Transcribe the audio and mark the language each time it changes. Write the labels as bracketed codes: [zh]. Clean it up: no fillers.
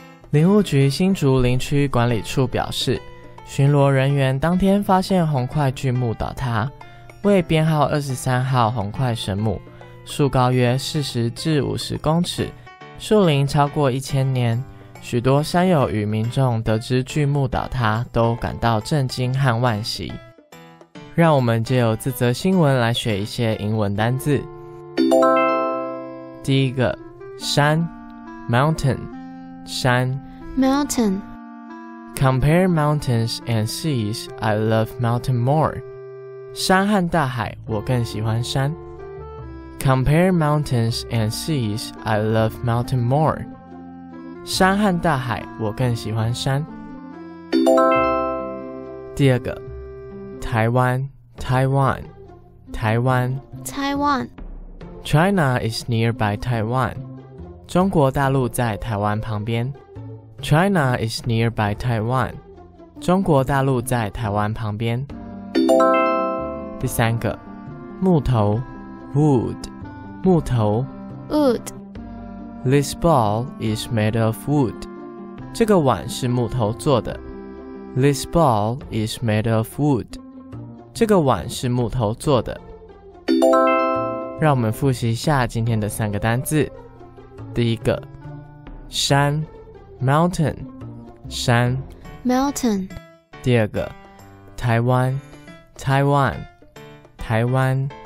[zh] 林务局新竹林区管理处表示，巡逻人员当天发现红块巨木倒塌，为编号23号红块神木，树高约40至50公尺，树龄超过1000年，许多山友与民众得知巨木倒塌都感到震惊和惋惜。让我们借由这则新闻来学一些英文单字。第一个，山 mountain， 山 [en] mountain。 Compare mountains and seas, I love mountain more. [zh] 山和大海，我更喜欢山。 [en] Compare mountains and seas, I love mountain more. [zh] 山和大海，我更喜欢山。第二个，台湾 Taiwan， 台湾 [en] Taiwan。 China is nearby Taiwan. [zh] 中国大陆在台湾旁边。 [en] China is nearby Taiwan. [zh] 中国大陆在台湾旁边。第三个，木头 ，wood， 木头 [en] ，wood。 This ball is made of wood. [zh] 这个碗是木头做的。 [en] This ball is made of wood. [zh] 这个碗是木头做的。让我们复习一下今天的三个单字。第一个，山。Mountain， 山 [en] Mountain。 [zh] 第二个，台湾 Taiwan， 台湾